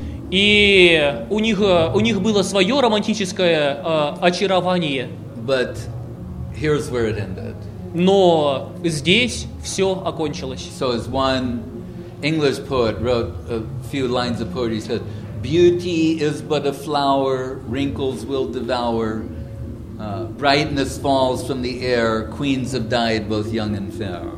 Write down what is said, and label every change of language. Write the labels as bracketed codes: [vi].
[ru] И у них было свое романтическое очарование. [en] But here's where it ended. [ru] Но здесь все окончилось. [en] So as one English poet wrote a few lines of poetry, he said, "Beauty is but a flower, wrinkles will devour. Brightness falls from the air, queens have died both young and fair."